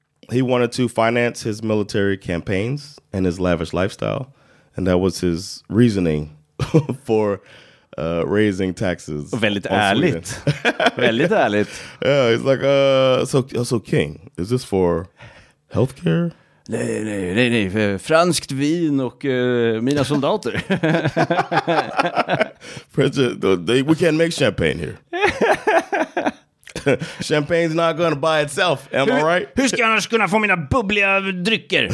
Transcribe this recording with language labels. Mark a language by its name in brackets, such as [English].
[English] He wanted to finance his military campaigns and his lavish lifestyle. And that was his reasoning for raising taxes. [Swedish] Väldigt ärligt. Väldigt ärligt. [English] Yeah, he's like, so king, is this for healthcare? [Swedish] Nej, nej, nej, nej. Franskt vin och mina soldater. [English] We can't make champagne here. Champagne's not going to buy itself, am I right? [Swedish] Hur ska jag annars kunna få mina bubbliga drycker?